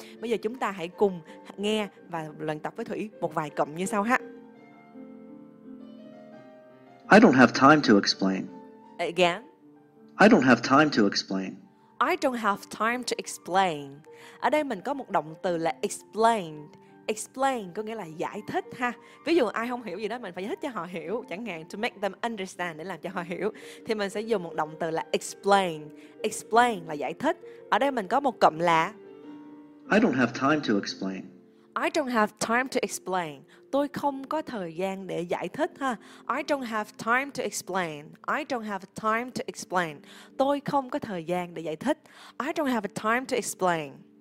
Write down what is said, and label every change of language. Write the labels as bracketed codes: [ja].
[vi] Bây giờ chúng ta hãy cùng nghe và luyện tập với Thủy một vài cụm như sau ha. [en] I don't have time to explain. Again? I don't have time to explain. I don't have time to explain. [vi] Ở đây mình có một động từ là explained. Explain có nghĩa là giải thích ha. Ví dụ ai không hiểu gì đó mình phải giải thích cho họ hiểu, chẳng hạn [en] to make them understand, [vi] để làm cho họ hiểu, thì mình sẽ dùng một động từ là explain. Explain là giải thích. Ở đây mình có một cụm là [en] I don't have time to explain. I don't have time to explain. [vi] Tôi không có thời gian để giải thích ha. [en] I don't have time to explain. I don't have time to explain. [vi] Tôi không có thời gian để giải thích. [en] I don't have time to explain.